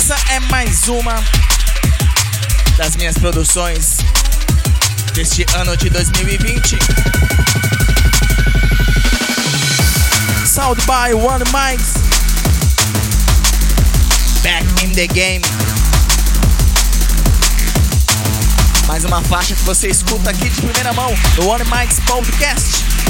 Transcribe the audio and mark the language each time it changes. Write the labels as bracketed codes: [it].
[pt] é mais uma das minhas produções deste ano de 2020. [en] Sound by One Mics, back in the game. [pt] Mais uma faixa que você escuta aqui de primeira mão no One Mics Podcast.